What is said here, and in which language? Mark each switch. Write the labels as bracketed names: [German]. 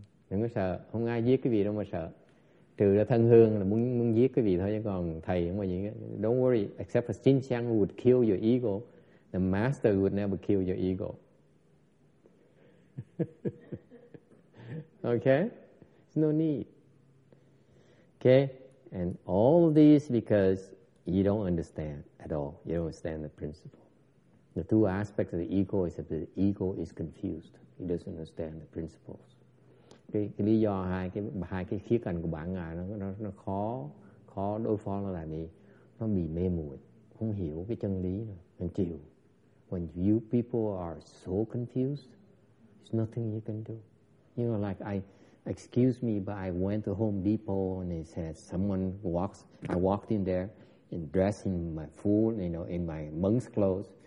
[Vietnamese] Đừng có sợ, không ai giết cái vị đâu mà sợ. Trừ ra thân hương là muốn giết cái vị thôi, chứ còn thầy không có gì. [English] Don't worry, except for Jin Xiang would kill your ego, the master would never kill your ego. Okay? There's no need. Okay? And all of these because you don't understand at all. You don't understand the principle. The two aspects of the ego is that the ego is confused. It doesn't understand the principles. [Vietnamese] Cái lý do hai cái khía cạnh của bản ngã nó khó đối phó nó là gì? Nó bị mê muội, không hiểu cái chân lý nó chịu. [English] When you people are so confused, there's nothing you can do. You know, like I went to Home Depot and they said I walked in there and dressed in my full, you know, in my monk's clothes.